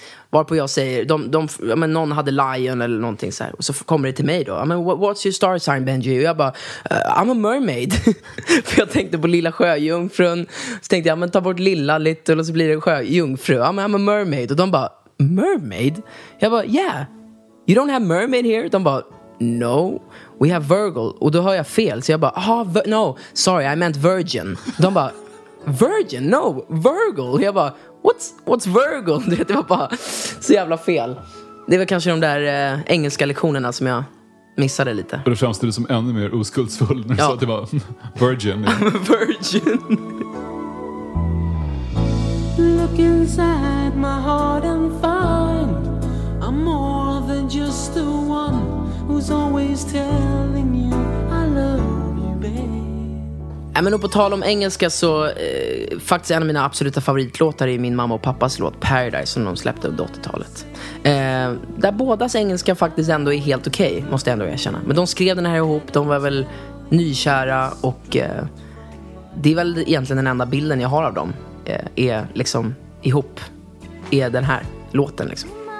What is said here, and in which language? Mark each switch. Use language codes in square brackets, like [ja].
[sv] Varpå jag säger, men någon hade lion eller någonting så här. Och så kommer det till mig då, men [en] what's your star sign, Benji? [sv] Och jag bara, [en] I'm a mermaid. [sv] För jag tänkte på lilla sjöjungfrun. Så tänkte jag, men ta bort lilla lite och så blir det sjöjungfru. Ja, men [en] I'm a mermaid. [sv] Och de bara, mermaid? Jag bara, [en] yeah, you don't have mermaid here? [sv] De bara, [en] no, we have Virgil. [sv] Och då hör jag fel, så jag bara, [en] no, sorry, I meant virgin. [sv] De bara, [en] virgin? No, Virgil. [sv] Jag bara, [en] what's Virgil? [sv] Det var bara så jävla fel. Det var kanske de där engelska lektionerna som jag missade lite. Och du framställde som ännu mer oskuldsfull när du sa att det var virgin. [en] I'm a virgin. Look inside my heart and find I'm more than just the one who's always telling you I love you, babe. [sv] Ja, men på tal om engelska så faktiskt en av mina absoluta favoritlåtar är min mamma och pappas låt Paradise som de släppte under 80-talet. Där bådas engelska faktiskt ändå är helt okej, okay, måste jag ändå erkänna. Men de skrev den här ihop, de var väl nykära och det är väl egentligen den enda bilden jag har av dem är liksom ihop är den här låten liksom.